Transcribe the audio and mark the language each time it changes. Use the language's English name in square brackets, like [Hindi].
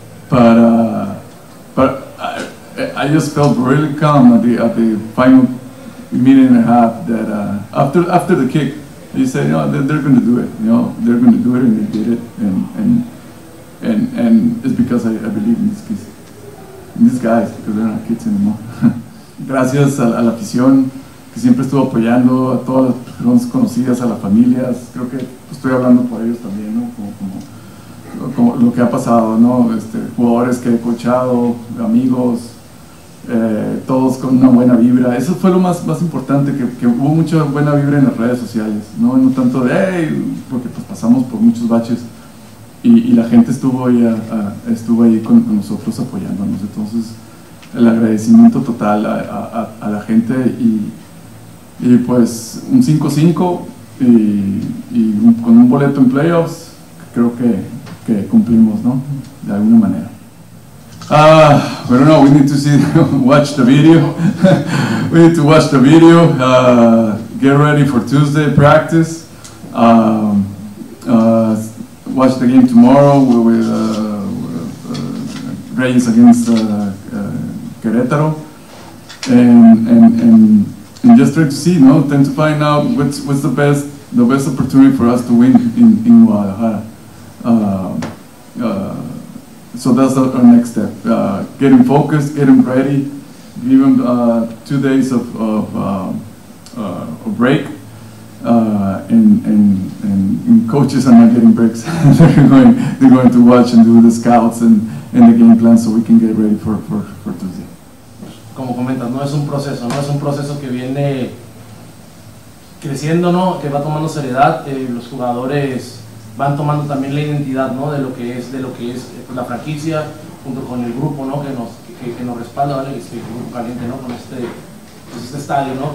[English] But I just felt really calm at the final minute and a half. That after the kick, you say, you know, they're going to do it. You know, they're going to do it, and they did it. And it's because I believe in these guys, because they're not kids anymore. [Spanish] Gracias a la afición que siempre estuvo apoyando, a todas las personas conocidas, a las familias. Creo que estoy hablando por ellos también, ¿no? Como lo que ha pasado, ¿no? Jugadores que he coachado, amigos. Todos con una buena vibra. Eso fue lo más importante, que hubo mucha buena vibra en las redes sociales, ¿no? No tanto de hey, porque pues pasamos por muchos baches y la gente estuvo ahí con nosotros apoyándonos. Entonces, el agradecimiento total a la gente y pues un 5-5 con un boleto en playoffs, creo que cumplimos, ¿no? De alguna manera. Pero no, [English] we need to see, watch the video. We need to watch the video. Get ready for Tuesday practice. Watch the game tomorrow with Reyes against Querétaro. And just try to see, no, try to find out what's the best opportunity for us to win in Guadalajara. So that's our next step. Getting focused, getting ready, give them 2 days of a break, and coaches are not getting breaks. they're going to watch and do the scouts and the game plan so we can get ready for Tuesday. [Spanish] Como comentas, no es un proceso, no es un proceso que viene creciendo, ¿no? Que va tomando seriedad, los jugadores van tomando también la identidad, ¿no? de lo que es la franquicia junto con el grupo, ¿no? que nos respalda, ¿vale? Este grupo caliente, ¿no? Con este estadio, ¿no?